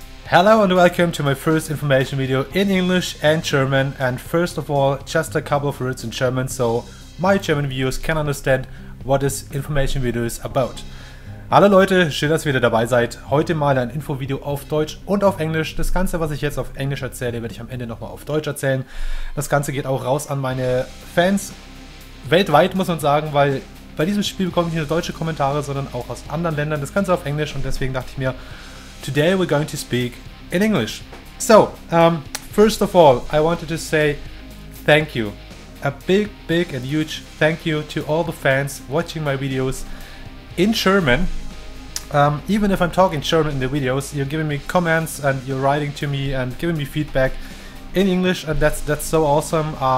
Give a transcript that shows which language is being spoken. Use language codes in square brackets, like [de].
[en] Hello and welcome to my first information video in English and German. And first of all, just a couple of words in German so my German viewers can understand what this information video is about. [de] Hallo Leute, schön, dass ihr wieder dabei seid. Heute mal ein Infovideo auf Deutsch und auf Englisch. Das Ganze, was ich jetzt auf Englisch erzähle, werde ich am Ende nochmal auf Deutsch erzählen. Das Ganze geht auch raus an meine Fans weltweit, muss man sagen, weil bei diesem Spiel bekomme ich nicht nur deutsche Kommentare, sondern auch aus anderen Ländern. Das Ganze auf Englisch und deswegen dachte ich mir, [en] today we're going to speak in English. So, first of all, I wanted to say thank you. A big, big and huge thank you to all the fans watching my videos in German. Even if I'm talking German in the videos, you're giving me comments and you're writing to me and giving me feedback in English, and that's so awesome.